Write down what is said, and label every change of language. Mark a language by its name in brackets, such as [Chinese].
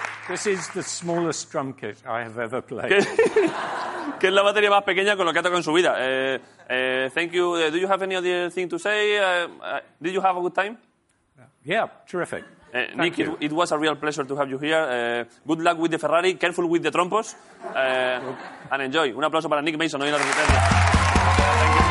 [English] This is the smallest drum kit I have ever played. [Spanish] Que es la batería más pequeña con lo que ha tocado en su vida. [English] Thank you. Do you have any other thing to say? Did you have a good time? Yeah, terrific. Nick, it was a real pleasure to have you here. Good luck with the Ferrari. Careful with the trompos. And enjoy. [Spanish] Un aplauso para Nick Mason. Hoy en la resistencia.